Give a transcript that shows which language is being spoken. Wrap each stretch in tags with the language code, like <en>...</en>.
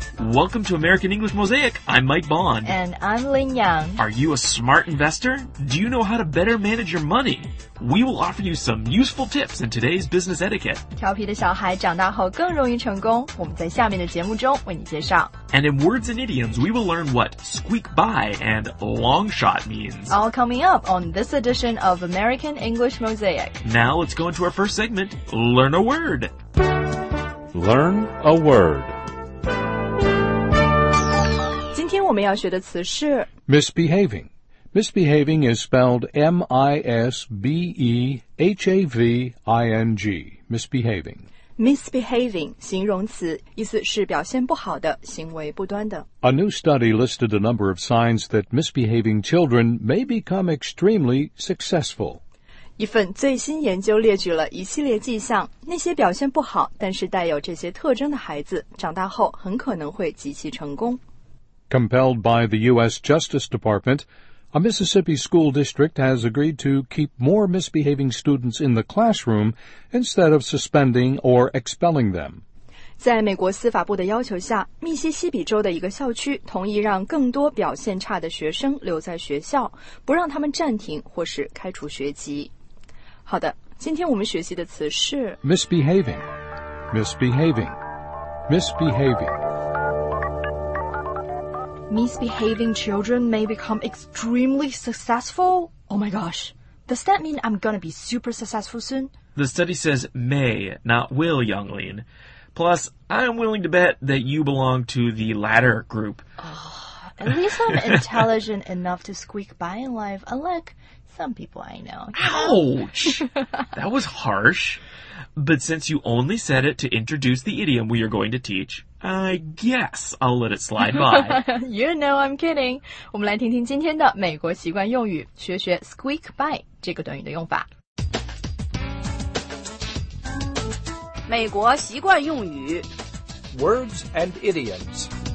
<en>welcome to American English Mosaic. I'm Mike Bond. And I'm Lin Yang. Are you a smart investor? Do you know how to better manage your money? We will offer you some useful tips in today's business etiquette.</en> <zh>调皮的小孩长大后更容易成功，我们在下面的节目中为你介绍。</zh> <en>And in words and idioms, we will learn what squeak by and long shot means. All coming up on this edition of American English Mosaic. Now let's go into our first segment, Learn a Word. Learn a Word.</en> <zh>今天我们要学的词是</zh> <en>misbehaving. Misbehaving is spelled M-I-S-B-E-H-A-V-I-N-G. Misbehaving.</en> <zh>Misbehaving, 形容词，意思是表现不好的，行为不端的。</zh> <en>A new study listed a number of signs that misbehaving children may become extremely successful.</en> <zh>一份最新研究列举了一系列迹象，那些表现不好，但是带有这些特征的孩子，长大后很可能会极其成功。</zh> <en>Compelled by the U.S. Justice Department, a Mississippi school district has agreed to keep more misbehaving students in the classroom instead of suspending or expelling them.</en> <zh>在美国司法部的要求下，密西西比州的一个校区同意让更多表现差的学生留在学校，不让他们暂停或是开除学籍。好的，今天我们学习的词是</zh> <en>misbehaving, misbehaving, misbehaving. Misbehaving children may become extremely successful? Oh my gosh. Does that mean I'm gonna be super successful soon? The study says may, not will, Yang Lin. Plus, I'm willing to bet that you belong to the latter group. Oh, at least I'm intelligent enough to squeak by in life, unlike some people I know. Ouch! That was harsh. But since you only said it to introduce the idiom we are going to teach... I guess I'll let it slide by. You know I'm kidding.</en> <zh>我们来听听今天的美国习惯用语，学学 squeak by 这个短语的用法。美国习惯用语</zh> <en>Words and idioms.</en>